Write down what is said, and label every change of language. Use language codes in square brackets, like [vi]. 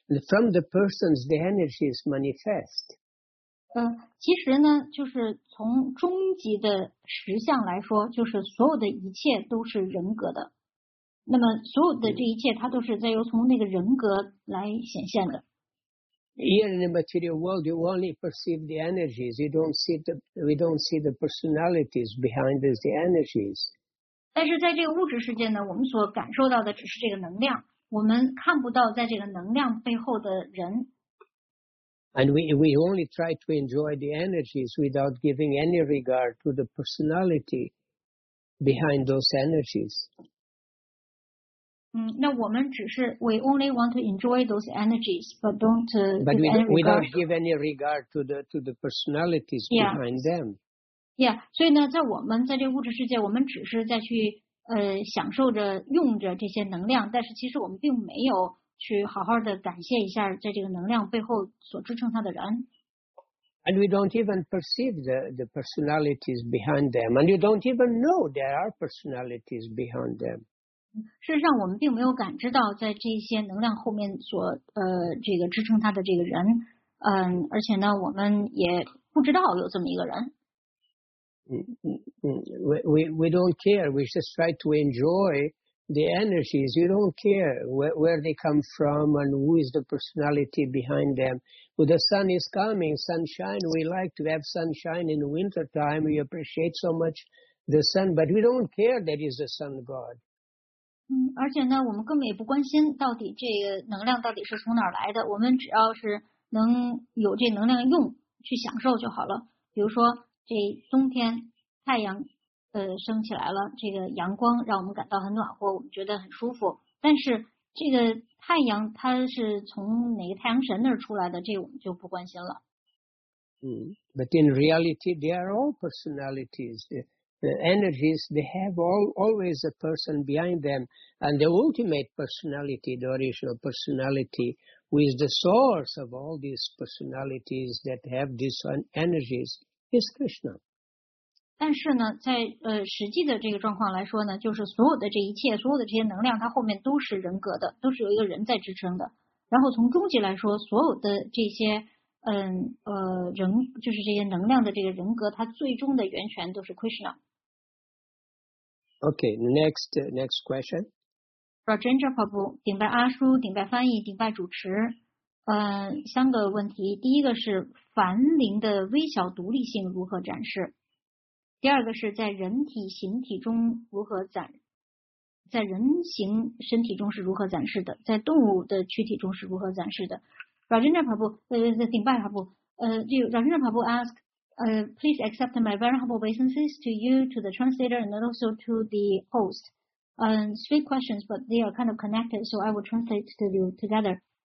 [en] From the persons, the energies manifest. [zh] 其实呢，就是从终极的实相来说，就是所有的一切都是人格的。那么所有的这一切它都是在由从那个人格来显现的。 [en] Here in the material world, you only perceive the energies. We don't see the personalities behind the energies. [zh] 但是在这个物质世界呢，我们所感受到的只是这个能量，我们看不到在这个能量背后的人。 [en] And we only try to enjoy the energies without giving any regard to the personality behind those energies. [zh] 那我们只是 [en] we only want to enjoy those energies, but don't but we don't give any regard to the personalities behind them. [zh] Yeah, 所以呢，在我们在这物质世界，我们只是在去享受着用着这些能量，但是其实我们并没有去好好的感谢一下在这个能量背后所支撑它的人。 [en] And we don't even perceive the personalities behind them, and you don't even know there are personalities behind them. [zh] 事实上，我们并没有感知到在这些能量后面所这个支撑他的这个人，嗯，而且呢，我们也不知道有这么一个人。 [en] We don't care. We just try to enjoy the energies. You don't care where they come from and who is the personality behind them. When the sun is coming, sunshine, we like to have sunshine in the winter time. We appreciate so much the sun, but we don't care that is the sun god. [zh] 嗯，而且呢，我们根本也不关心到底这个能量到底是从哪儿来的。我们只要是能有这能量用去享受就好了。比如说。这冬天太阳升起来了，这个阳光让我们感到很暖和，我们觉得很舒服，但是这个太阳它是从哪个太阳神那儿出来的，这个、我们就不关心了。 [en] But in reality they are all personalities, the energies, they have always a person behind them, and the ultimate personality, the original personality, who is the source of all these personalities that have these energies,Is Krishna. [zh] 但是呢，在实际的这个状况来说呢，就是所有的这一切，所有的这些能量，它后面都是人格的，都是由一个人在支撑的。然后从终极来说，所有的这些人，就是这些能量的这个人格，它最终的源泉都是 Krishna. [en] Okay, next question. [zh] Rajendra Prabhu, 顶拜阿叔，顶拜翻译，顶拜主持。三个问题，第一个是凡灵的微小独立性如何展示，第二个是在人体形体中如何展，在人形身体中是如何展示的，在动物的躯体中是如何展示的。 [en] Rajendra Prabhu, Ding Bai Prabhu, Rajendra Prabhu ask, please accept my very humble obeisances to you, to the translator, and also to the host. Three questions, but they are kind of connected, so I will translate to you together.